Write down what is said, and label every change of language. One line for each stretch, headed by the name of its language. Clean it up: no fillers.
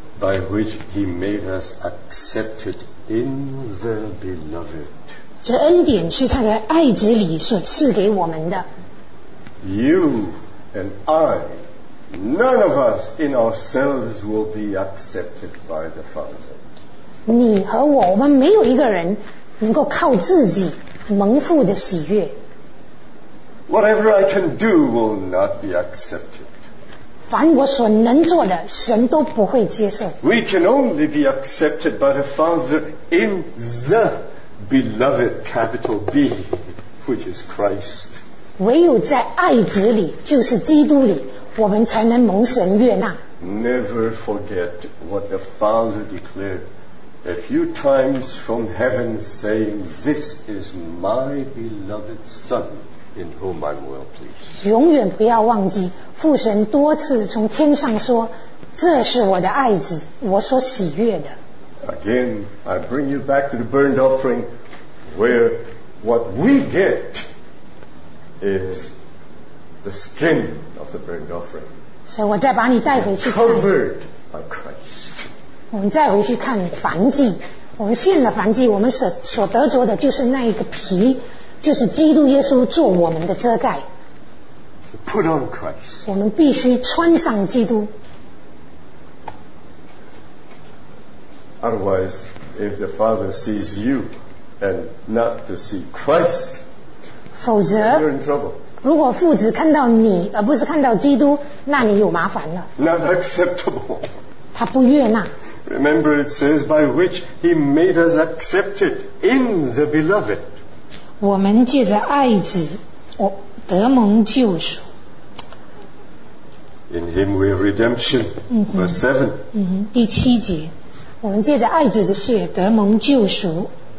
English: By which He made us accepted in the Beloved.
Chinese: 这恩典是他在爱子里所赐给我们的。
English: You and I, none of us in ourselves will be accepted by the Father.
Chinese: 你和我，我们没有一个人能够靠自己蒙父的喜悦。
English: Whatever I can do will not be accepted.
Chinese: 凡我所能做的，神都不会接受。
English: We can only be accepted by the Father in the Beloved, capital B, which is Christ.
Chinese: 唯有在爱子里，就是基督里，我们才能蒙神悦纳。
English: Never forget what the Father declared a few times from heaven, saying, "This is my beloved Son, in whom I'm well pleased."
Chinese: 永远不要忘记，父神多次从天上说，这是我的爱子，我所喜悦的。
English: Again, I bring you back to the burnt offering, where what we get is the skin of the burnt offering.
Chinese: So, 我再把你带回去。
English: Covered by Christ.
Chinese: 我们再回去看燔祭。我们献了燔祭，我们所得着的就是那一个皮，就是基督耶稣做我们的遮盖。
English: Put on Christ.
Chinese: 我们必须穿上基督。
English: Otherwise, if the Father sees you and not to see Christ,
Chinese: 否则
English: you're in trouble.
Chinese: 如果父子看到你而不是看到基督，那你有麻烦了。
English: Not acceptable.
Chinese: 他不悦纳。
English: Remember, it says, by which he made us accepted in the beloved.
Chinese: 我们借着爱子，我得蒙救赎。
English: In him we have redemption. Verse 7.
Chinese: 第七节。我们借着爱子的血得蒙救赎。